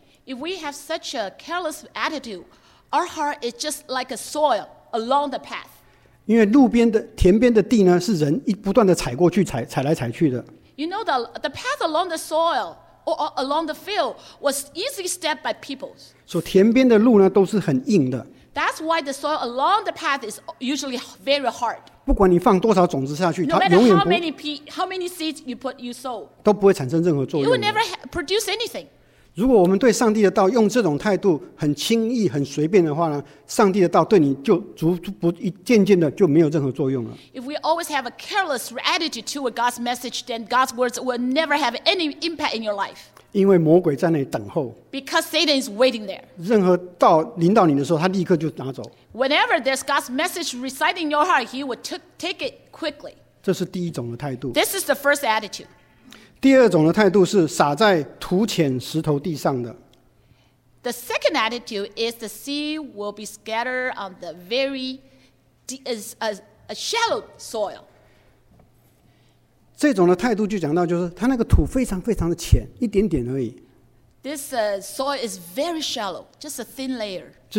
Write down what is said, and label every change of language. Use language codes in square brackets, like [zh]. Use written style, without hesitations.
[en] If we have such a careless attitude, our heart is just like a soil along the path. [zh] 因为路边的田边的地呢，是人一不断的踩过去踩来踩去的。 [en] You know the path along the soil. Or along the field was easily stepped by people. [zh] So, 田边的路呢都是很硬的. [en] That's why the soil along the path is usually very hard. [zh] 不管你放多少种子下去, [en] no matter how many seeds you sow, [zh] 都不会产生任何作用. [en] It will never produce anything. [zh] 如果我们对上帝的道用这种态度很轻易、很随便的话呢, 上帝的道对你就逐步渐渐的就没有任何作用了。 [en] If we always have a careless attitude toward God's message, then God's words will never have any impact in your life. [zh] 因为魔鬼在那里等候。 [en] Because Satan is waiting there. [zh] 任何道临到你的时候, 他立刻就拿走。 [en] Whenever there's God's message residing in your heart, he will take it quickly. [zh] 这是第一种的态度。 [en] This is the first attitude. [zh] 第二种的态度是撒在土浅石头地上的。 [en] The second attitude is the seed will be scattered on the very a shallow soil. [zh] 这种的态度就讲到就是它那个土非常非常的浅，一点点而已。 [en] This soil is very shallow, just a thin layer.